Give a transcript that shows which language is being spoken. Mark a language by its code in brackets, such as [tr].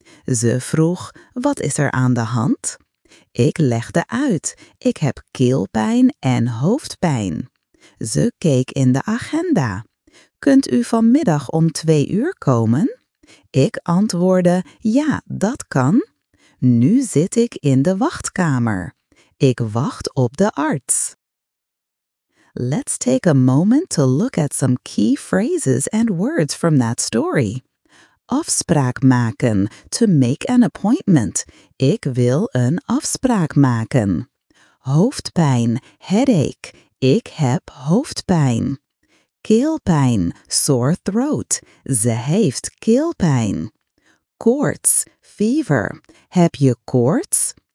[nl] Ze vroeg, wat is er aan de hand? Ik legde uit, ik heb keelpijn en hoofdpijn. Ze keek in de agenda. Kunt u vanmiddag om 2 uur komen? Ik antwoordde, ja, dat kan. Nu zit ik in de wachtkamer. Ik wacht op de arts. [en] Let's take a moment to look at some key phrases and words from that story. [nl] Afspraak maken, [en] to make an appointment. [nl] Ik wil een afspraak maken. Hoofdpijn, [en] headache. [nl] Ik heb hoofdpijn. Keelpijn, [en] sore throat. [nl] Ze heeft keelpijn. Koorts, [en] fever. [nl] Heb je koorts?